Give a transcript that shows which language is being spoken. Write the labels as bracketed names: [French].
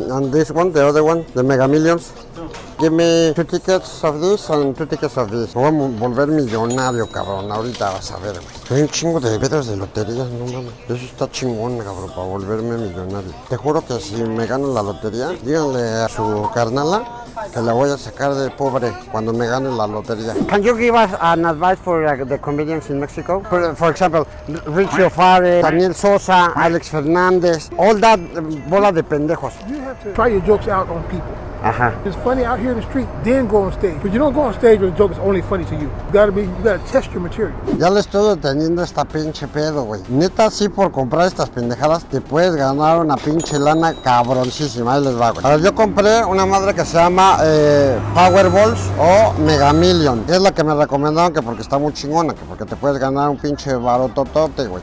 [English] This one, the other one, the Mega Millions. Give me 2 tickets of this and 2 tickets of this. [Spanish] Voy a volver millonario, cabrón. Ahorita vas a ver, güey. Hay un chingo de pedos de lotería, no mames. Eso está chingón, cabrón, para volverme millonario. Te juro que si me gano la lotería, díganle a su carnala que la voy a sacar de pobre cuando me gane la lotería. [English] Can you give us an advice for the comedians in Mexico? For example, Richie O'Farrell, Daniel Sosa, Alex Fernández, all that [Spanish] bola de pendejos. [English] You have to try your jokes out on people. Uh-huh. It's funny out here in the street, then go on stage. But you don't go on stage when the joke is only funny to you. You gotta test your material. [Spanish] Ya le estoy deteniendo esta pinche pedo, güey. Neta, sí, por comprar estas pendejadas te puedes ganar una pinche lana cabroncísima. Ahí les va, güey. A ver, yo compré una madre que se llama Powerballs o Mega Million. Es la que me recomendaron, que porque está muy chingona, que porque te puedes ganar un pinche barototote, güey.